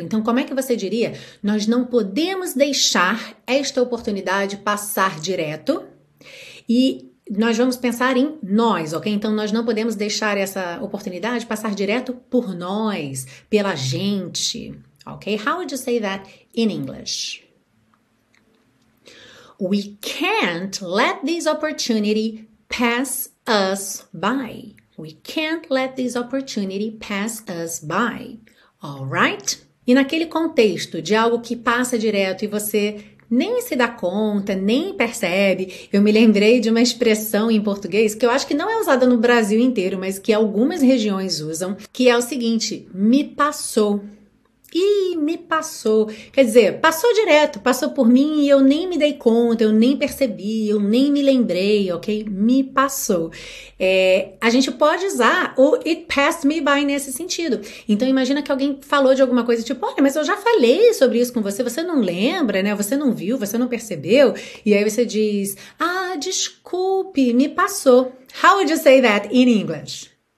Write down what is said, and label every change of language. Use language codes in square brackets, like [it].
[pt] Então, como é que você diria? Nós não podemos deixar esta oportunidade passar direto e nós vamos pensar em nós, ok? Então, nós não podemos deixar essa oportunidade passar direto por nós, pela gente, ok? [en] How would you say that in English? We can't let this opportunity pass us by. We can't let this opportunity pass us by. All right? [pt] E naquele contexto de algo que passa direto e você nem se dá conta, nem percebe, eu me lembrei de uma expressão em português que eu acho que não é usada no Brasil inteiro, mas que algumas regiões usam, que é o seguinte, me passou. Ih, me passou. Quer dizer, passou direto, passou por mim e eu nem me dei conta, eu nem percebi, eu nem me lembrei, ok? Me passou. A gente pode usar o [en] it passed me by [pt] nesse sentido. Então, imagina que alguém falou de alguma coisa, tipo, olha, mas eu já falei sobre isso com você, você não lembra, né? Você não viu, você não percebeu. E aí você diz, ah, desculpe, me passou. [en] How would you say that in English?